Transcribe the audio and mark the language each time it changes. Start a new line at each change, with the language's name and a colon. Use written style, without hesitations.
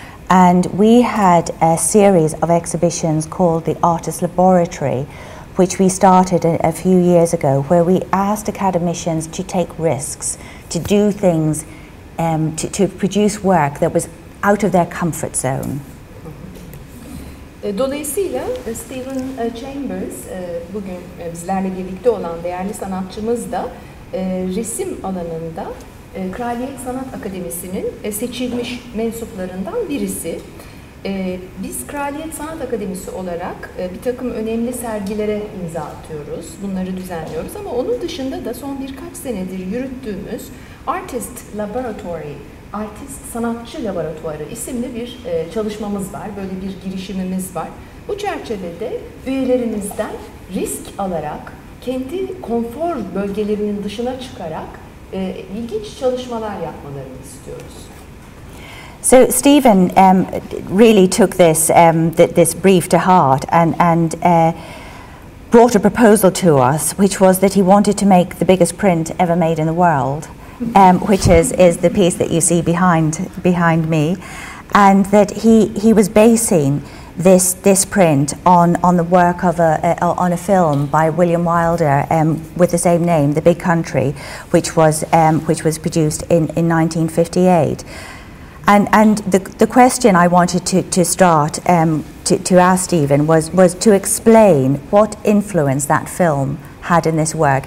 English: And we had a series of exhibitions called the Artist Laboratory, which we started a few years ago, where we asked academicians to take risks, to do things, to produce work that was out of their comfort zone.
Turkish: Dolayısıyla Stephen Chambers, bugün bizlerle birlikte olan değerli sanatçımız da resim alanında Kraliyet Sanat Akademisi'nin seçilmiş mensuplarından birisi. Biz Kraliyet Sanat Akademisi olarak bir takım önemli sergilere imza atıyoruz, bunları düzenliyoruz. Ama onun dışında da son birkaç senedir yürüttüğümüz Artist Laboratory, Artist Sanatçı Laboratuvarı isimli bir çalışmamız var, böyle bir girişimimiz var. Bu çerçevede üyelerimizden risk alarak, kendi konfor bölgelerinin dışına çıkarak ilginç çalışmalar yapmalarını istiyoruz.
English: So Stephen really took this this brief to heart and brought a proposal to us, which was that he wanted to make the biggest print ever made in the world. Which is the piece that you see behind me, and that he was basing this print on the work of a film by William Wilder with the same name, The Big Country, which was produced in 1958, and the question I wanted to start to ask Stephen was to explain what influenced that film had in this work.